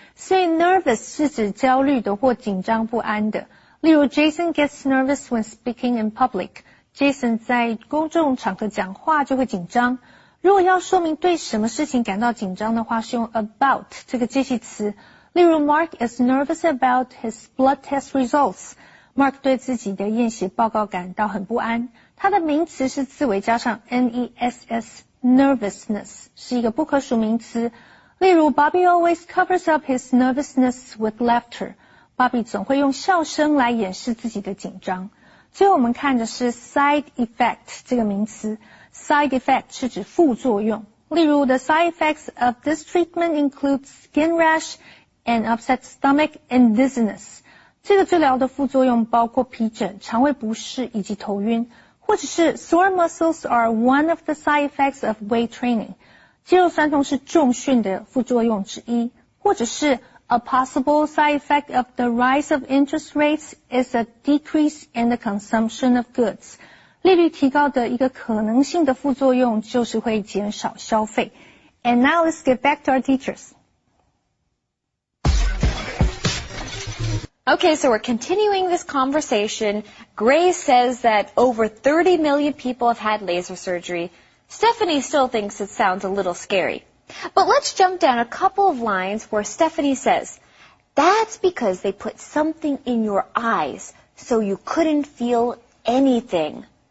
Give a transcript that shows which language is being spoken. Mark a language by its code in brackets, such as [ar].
[zh] 所以 nervous 是指焦虑的或紧张不安的。例如 [en] Jason gets nervous when speaking in public. [zh] Jason 在公众场合讲话就会紧张。如果要说明对什么事情感到紧张的话是用 about 这个介系词。例如 [en] Mark is nervous about his blood test results. [zh] Mark 对自己的验血报告感到很不安。它的名词是字尾加上 N-E-S-S, nervousness, 是一个不可数名词。例如 [en] Bobby always covers up his nervousness with laughter. [zh] Bobby 总会用笑声来掩饰自己的紧张。最后我们看的是 side effect 这个名词。 Side effect 是指副作用。例如 [en] The side effects of this treatment include skin rash and upset stomach and dizziness. [zh] 这个治疗的副作用包括皮疹、肠胃不适以及头晕。或者是 [en] sore muscles are one of the side effects of weight training. [zh] 肌肉酸痛是重训的副作用之一。或者是 [en] a possible side effect of the rise of interest rates is a decrease in the consumption of goods. [zh] 利率提高的一个可能性的副作用就是会减少消费。 [en] And now let's get back to our teachers. Okay, so we're continuing this conversation. Grace says that over 30 million people have had laser surgery. Stephanie still thinks it sounds a little scary. But let's jump down a couple of lines where Stephanie says, that's because they put something in your eyes so you couldn't feel anything.